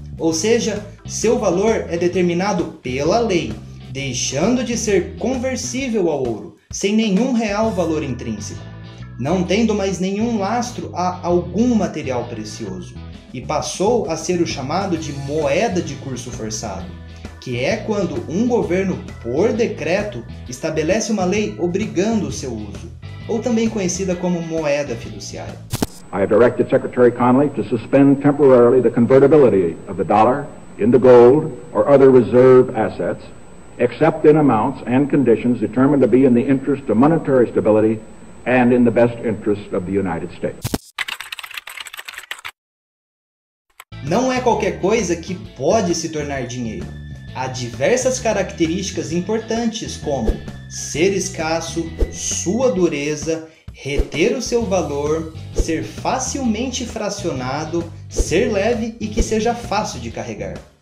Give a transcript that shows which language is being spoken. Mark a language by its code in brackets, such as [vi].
[pt] Ou seja, seu valor é determinado pela lei, deixando de ser conversível ao ouro, sem nenhum real valor intrínseco, não tendo mais nenhum lastro a algum material precioso, e passou a ser o chamado de moeda de curso forçado, que é quando um governo, por decreto, estabelece uma lei obrigando o seu uso, ou também conhecida como moeda fiduciária. [en] I have directed Secretary Connally to suspend temporarily the convertibility of the dollar into gold or other reserve assets, except in amounts and conditions determined to be in the interest of monetary stability and in the best interest of the United States. [pt] Não é qualquer coisa que pode se tornar dinheiro. Há diversas características importantes como ser escasso, sua dureza, reter o seu valor, ser facilmente fracionado, ser leve e que seja fácil de carregar.